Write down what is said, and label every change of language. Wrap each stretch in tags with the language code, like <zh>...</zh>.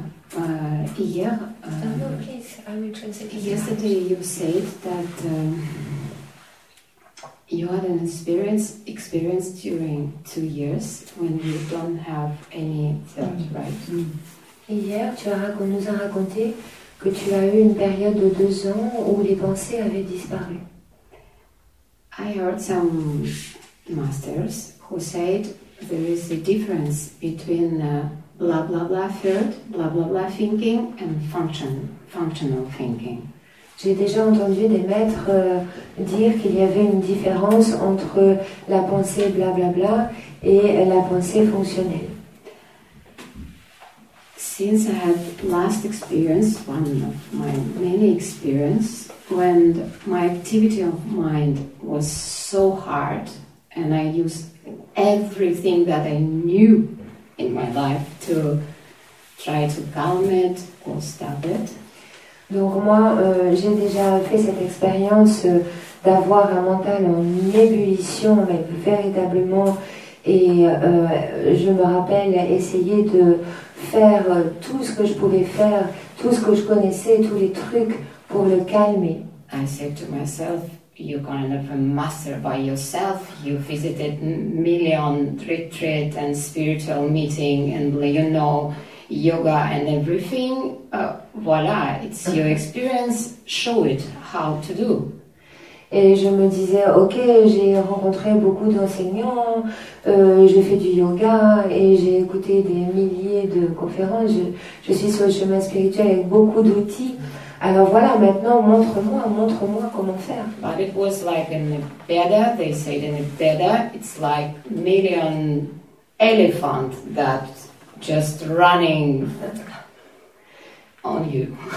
<en>Yesterday, you said that you had an experience during 2 years when you don't have any thought, right?</en> <fr>Hier, tu nous as raconté que tu as eu une période de 2 ans où les pensées avaient disparu.</fr> <en>I heard some masters who said there is a difference between blah blah blah third, blah blah blah thinking and functional thinking.</en> <fr>J'ai déjà entendu des maîtres dire qu'il y avait une différence entre la pensée blablabla et la pensée fonctionnelle.</fr> <en>Since I had last experience, one of my many experiences, when my activity of mind was so hard and I used everything that I knew in my life to try to calm it or stop it.</en> <fr>Donc moi, j'ai déjà fait cette expérience d'avoir un mental en ébullition, mais véritablement, et je me rappelle essayer de faire tout ce que je pouvais faire, tout ce que je connaissais, tous les trucs pour le calmer.</fr> <en>I said to myself, you're kind of a master by yourself. You visited million retreats and spiritual meetings, and you know yoga and everything. Voilà, it's your experience, show it how to do.</en> <fr>Et je me disais, ok, j'ai rencontré beaucoup d'enseignants, j'ai fait du yoga et j'ai écouté des milliers de conférences, je suis sur le chemin spirituel avec beaucoup d'outils, alors voilà, maintenant montre-moi comment faire.</fr> <en>But it was like in the Veda, they say in the Veda, it's like million elephants that just running on you.</en>